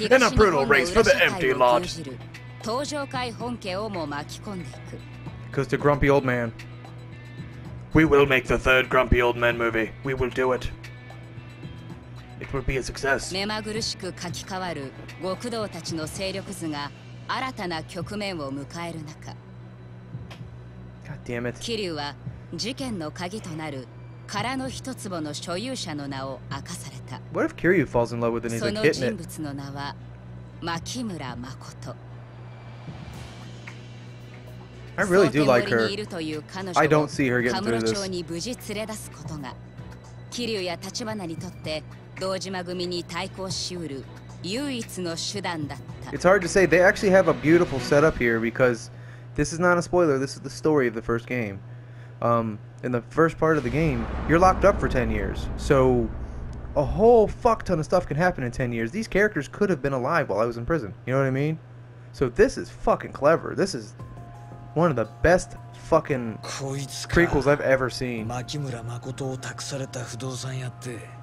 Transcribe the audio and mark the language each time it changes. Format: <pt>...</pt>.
<en>In a brutal race for the empty lot.</en> <ja>Toujoukai honke o mo makikonde iku.</ja> <en>Goes to Grumpy Old Man. We will make the third Grumpy Old Man movie. We will do it. It will be a success.</en> <ja>めまぐるしく書き換わる極道たちの勢力図が新たな局面を迎える中。</ja> <en>God damn it.</en> <ja>キリュウは事件の鍵となる殻の一坪の所有者の名を明かされた。</ja> <en>What if キリュウ falls in love with and he's like hitting it?</en> <ja>その人物の名は牧村誠。</ja> <en>I really do like her. I don't see her getting through this. 神室</en> <ja>町に無事連れ出すことが、キリュウや立花にとって道島組に対抗しうる唯一の手段だった。</ja> <en>It's hard to say. They actually have a beautiful setup here because this is not a spoiler. This is the story of the first game. In the first part of the game, you're locked up for 10 years. So a whole fuck ton of stuff can happen in 10 years. These characters could have been alive while I was in prison. You know what I mean? So this is fucking clever. This is one of the best fucking prequels I've ever seen.</en> <ja>牧村誠を託された不動産屋って。</ja>